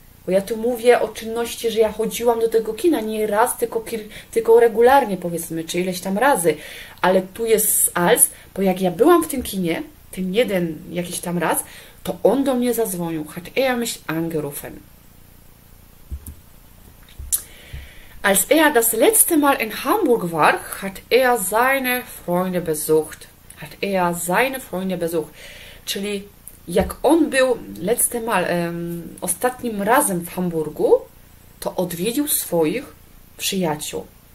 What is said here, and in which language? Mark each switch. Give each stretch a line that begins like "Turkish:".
Polish: Bo ja tu mówię o czynności, że ja chodziłam do tego kina nie raz, tylko regularnie, powiedzmy, czy ileś tam razy. Ale tu jest als, bo jak ja byłam w tym kinie, ten jeden jakiś tam raz, to on do mnie zadzwonił.
German: Hat mich angerufen. Als das letzte Mal in Hamburg war, hat seine Freunde besucht. Hat seine Freunde besucht.
Polish: Czyli jak on był
German: letzte Mal,
Polish: ostatnim razem w Hamburgu, to odwiedził swoich przyjaciół.